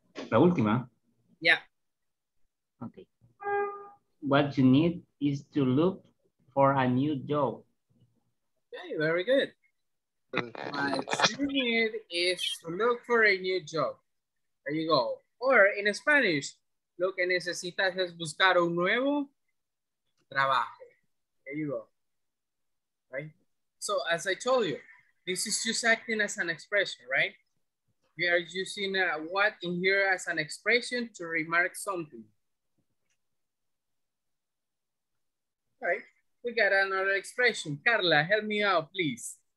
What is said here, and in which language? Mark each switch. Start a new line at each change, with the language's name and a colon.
Spanish: La última.
English: Yeah. Okay. What you need is to look for a new job. Okay, very good. What you need is to look for a new job. There you go. Or in Spanish,
Spanish: lo que necesitas es buscar un nuevo trabajo.
English: There you go. Right? So as I told you, this is just acting as an expression, right? We are using what in here as an expression to remark something. All right, we got another expression. Carla, help me out, please.